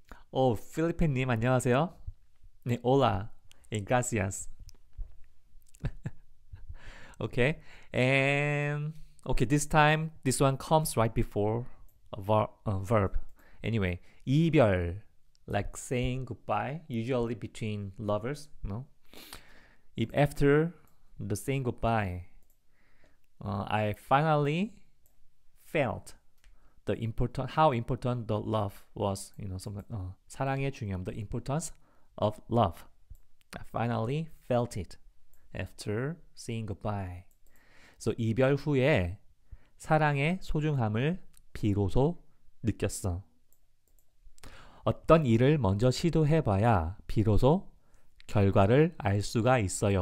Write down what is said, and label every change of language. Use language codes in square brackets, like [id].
[ko] Oh, 필리핀님, 안녕하세요. [es] 네, hola. And gracias. [en] Okay, and okay, this one comes right before a verb. Anyway, 이별, like saying goodbye, usually between lovers, no? If after the saying goodbye, I finally felt how important the love was, you know, something, [ko] 사랑의 중요함, [en] the importance of love. I finally felt it. After saying goodbye. [ko] So, 이별 후에 사랑의 소중함을 비로소 느꼈어. 어떤 일을 먼저 시도해봐야 비로소 결과를 알 수가 있어요.